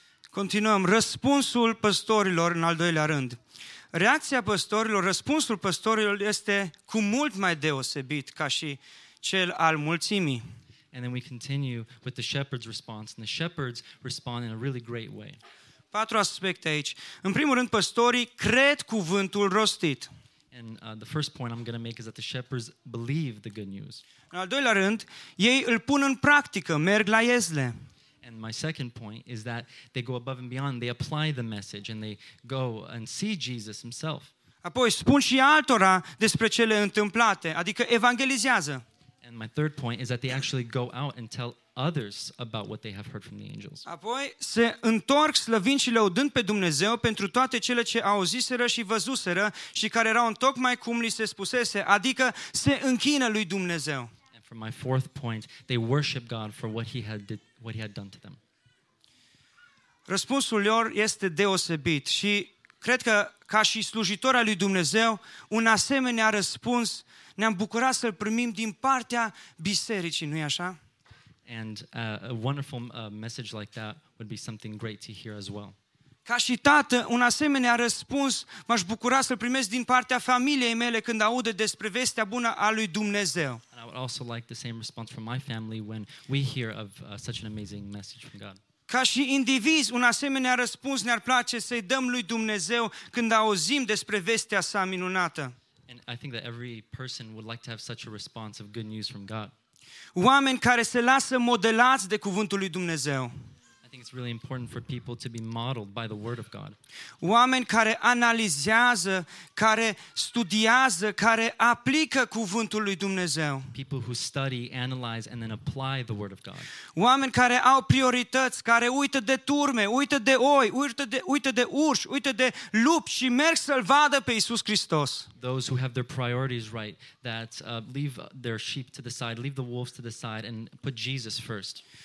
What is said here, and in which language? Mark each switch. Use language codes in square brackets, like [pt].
[ro] Continuăm. Răspunsul păstorilor în al doilea rând. Reacția păstorilor, răspunsul păstorilor este cu mult mai deosebit ca și cel al mulțimii. [en] And then we continue with the shepherd's response, and the shepherds respond in a really great way. [ro] Patru aspecte aici. În primul rând, păstorii cred cuvântul rostit. [en] And the first point I'm going to make is that the shepherds believe the good news. [ro] În al doilea rând, ei îl pun în practică, merg la iezle. [en] And my second point is that they go above and beyond. They apply the message and they go and see Jesus himself. [ro] Apoi spun și altora despre cele întâmplate, adică evangelizează. [en] And my third point is that they actually go out and tell others about what they have heard from the angels. [ro] Apoi se întorc slăvind și lăudând pe Dumnezeu pentru toate cele ce auziseră și văzuseră și care erau întocmai cum li se spusese, adică se închină lui Dumnezeu. [en] My fourth point, they worship God for what he had done to them. [ro] Răspunsul lor este deosebit și cred că ca și slujitor al lui Dumnezeu, un asemenea răspuns ne-am bucurat să-l primim din partea bisericii, nu-i așa? [en] And a wonderful message like that would be something great to hear as well. [ro] Ca și tată, un asemenea răspuns m-aș bucura să-l primesc din partea familiei mele când aud despre vestea bună a lui Dumnezeu. [en] And I would also like the same response from my family when we hear of such an amazing message from God. [ro] Ca și indivizi, un asemenea răspuns ne-ar place să-i dăm lui Dumnezeu când auzim despre vestea sa minunată. [en] And I think that every person would like to have such a response of good news from God. [ro] Oameni care se lasă modelați de cuvântul lui Dumnezeu. [en] I think it's really important for people to be modeled by the word of God. [ro] Oameni care analizează, care studiază, care aplică cuvântul lui Dumnezeu. [en] People who study, analyze and then apply the word of God. [ro] Oameni care au priorități, care uită de turme, uită de oi, uită de urși, uită de lupi și merg să-l vadă pe Iisus Hristos. [en] Those who have their priorities right, that leave their sheep to the side, leave the wolves to the side and put Jesus first.